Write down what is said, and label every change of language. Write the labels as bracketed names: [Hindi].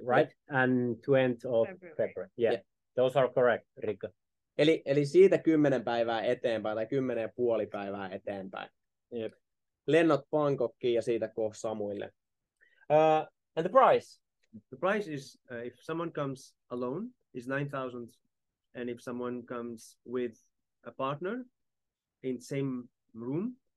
[English] right? And 20th of February. Yeah. Those are correct, Rikka. [Finnish] Eli siitä 10 päivää eteenpäin tai 10.5 päivää eteenpäin. [English] Yep. [Finnish] Lennot Bangkokkiin ja siitä koh Samuille. [English] And the price? The price is if someone comes alone is 9,000, and if someone comes with a partner in same room,